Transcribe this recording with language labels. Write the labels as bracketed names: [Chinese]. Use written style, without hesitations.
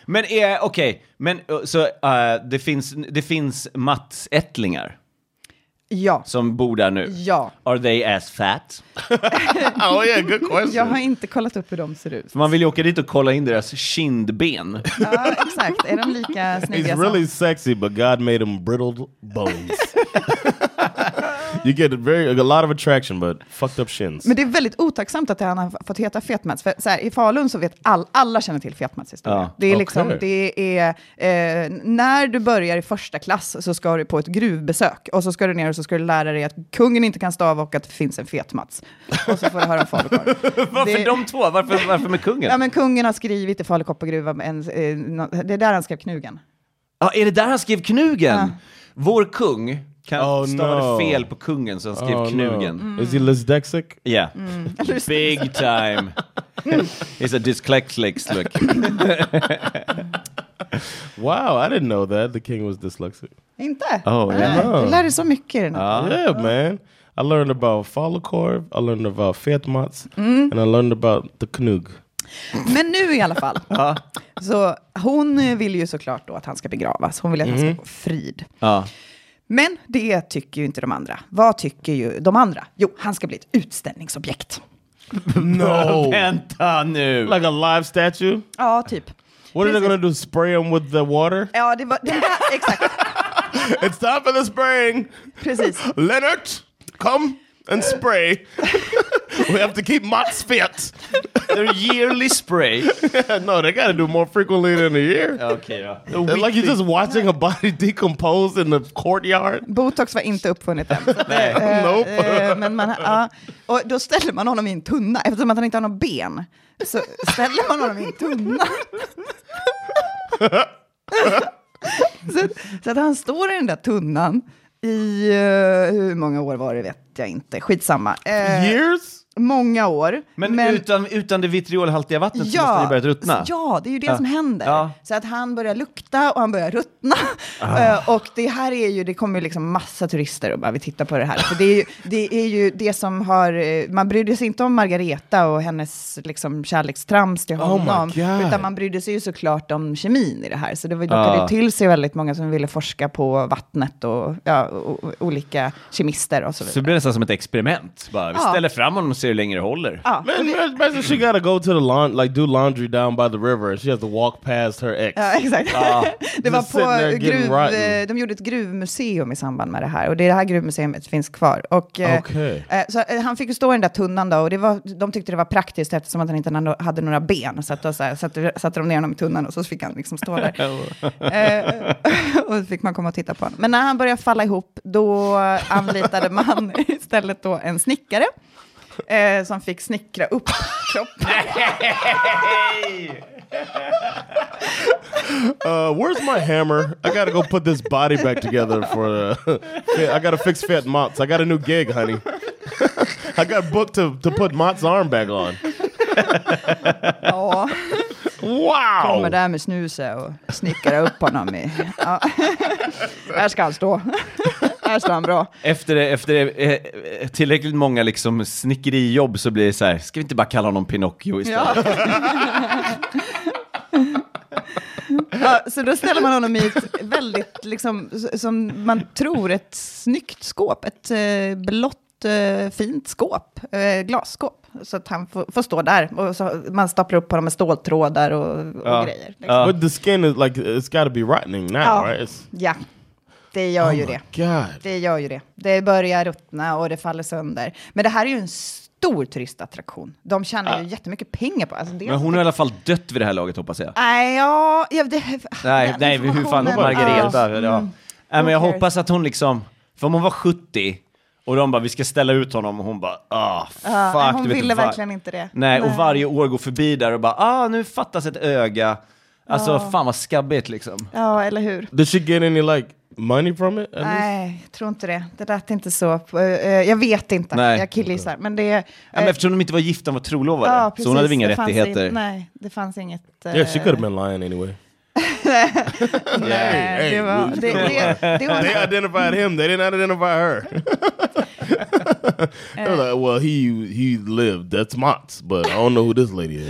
[Swedish] Men okej. Men så det finns Mats ättlingar. Ja. Som bor där nu. Ja. [English] Are they as fat? Oh yeah, good question. [Swedish] Jag har inte kollat upp hur de ser ut. Man vill ju åka dit och kolla in deras kindben. Ja, exakt. Är de lika snygga? [English] He's really sexy, but God made him brittle bones. You get a lot of attraction, but fucked up shins. [Swedish] Men det är väldigt otacksamt att han har fått heta Fet-Mats. För så här, i Falun så vet alla känner till Fet-Mats historia. Det är liksom, det är, när du börjar i första klass så ska du på ett gruvbesök. Och så ska du ner och så ska du lära dig att kungen inte kan stava och att det finns en Fet-Mats. Och så får du höra om falukorv. Varför de två? Varför med kungen? Ja, men kungen har skrivit i falukorv på gruva. Det är där han skrev knugen. Ja, är det där han skrev knugen? Ja. Vår kung... fel på kungen som skrev knugen. [English] No. Mm. Is he dyslexic? Yeah. Mm. Big time. He's a dyslexic. Wow, I didn't know that the king was dyslexic. [Swedish] Inte? [English] Oh, yeah. No. [Swedish] Du lärde så mycket. [English] Yeah, man. I learned about falukorv, I learned about Fet-Mats, and I learned about the knug. [Swedish] Men nu i alla fall. Så hon vill ju såklart då att han ska begravas. Hon vill att han ska gå frid. Ja. Men det tycker ju inte de andra. Vad tycker ju de andra? Jo, han ska bli ett utställningsobjekt. [English] No! [Swedish] Vänta nu! [English] Like a live statue? [Swedish] Ja, typ. [English] What are they gonna do? Spray him with the water? [Swedish] Ja, det var... exakt. [English] It's time for the spraying! [Swedish] Precis. [English] Leonard, come and spray. We have to keep Mats fit. Their yearly spray. No, they got to do more frequently than a year. Okay, yeah. Like you're just watching a body decompose in the courtyard. [Swedish] Botox var inte uppfunnit än. Nej. [English] Nope. [Swedish] Men man, och då ställer man honom i en tunna, eftersom att han inte har några ben. Så ställer man honom i en tunna. Så att han står i den där tunnan i hur många år var det vet jag inte. Skitsamma. [English] Years? [Swedish] Många år. Men utan det vitriolhaltiga vattnet, ja, så måste det börja ruttna. Ja, det är ju det, ja, som händer. Ja. Så att han börjar lukta och han börjar ruttna. Och det här är ju, det kommer ju liksom massa turister och bara, vi tittar på det här. För det är ju det som har, man brydde sig inte om Margareta och hennes liksom kärlekstrams till honom. Oh, utan man brydde sig ju såklart om kemin i det här. Så det var ju till sig väldigt många som ville forska på vattnet och, ja, och olika kemister och så vidare. Så det blir nästan som ett experiment. Bara, vi ställer fram honom och ser hur länge det håller. [English] Men she gotta go to the laundry, like do laundry down by the river, and she has to walk past her ex. [Swedish] Ja, exakt. Det var på de gjorde ett gruvmuseum i samband med det här, och det är det här gruvmuseumet finns kvar. Och [English] okay. [Swedish] Så han fick ju stå i den där tunnan då, och det var, de tyckte det var praktiskt eftersom att han inte hade några ben, så att då så här, satte de ner honom i tunnan och så fick han liksom stå där. Och så fick man komma och titta på honom. Men när han började falla ihop, då anlitade man istället då en snickare. Som fick snickra upp kroppen. [English] Where's my hammer? I gotta go put this body back together for. I gotta fix Fet-Mats. I got a new gig, honey. I got booked to put Mats' arm back on. Wow! [Swedish] Kommer där med snuse och snickra upp honom. Här ska han stå. Bra. Efter det, tillräckligt många liksom snickerijobb, så blir det så här, ska vi inte bara kalla honom Pinocchio istället? Ja. Ja, så då ställer man honom i ett väldigt, liksom, som man tror, ett snyggt skåp. Ett blått, fint skåp. Glasskåp. Så att han får stå där. Och så man staplar upp honom med ståltrådar och grejer. Liksom. [English] But the skin is like, it's gotta be rotting now, right? [Swedish] Ja. Det gör ju det. [English] God. [Swedish] Det gör ju det. Det börjar ruttna och det faller sönder. Men det här är ju en stor turistattraktion. De tjänar ju jättemycket pengar på. Alltså, det men hon har i alla fall dött vid det här laget, hoppas jag. Nej, hur fan är Margareta? Men jag hoppas att hon liksom, för om hon var 70 och de bara, vi ska ställa ut honom, och hon bara, fuck. Hon ville verkligen inte det. Nej, och varje år går förbi där och bara, nu fattas ett öga. Alltså, fan vad skabbigt liksom. Ja, eller hur? [English] Did she get any like money from it? [Swedish] Nej, tror inte det. Det lät inte så. Jag vet inte. Nej. Jag killisar. Men det, men eftersom de inte var gifta, var trolovade. Ja, så hon hade inga rättigheter. Det fanns inget. [English] Yeah, she could have been lying anyway. [Swedish] Nej, [English] they identified him. They did not identify her. Like, well, he lived. That's Mats, but I don't know who this lady is.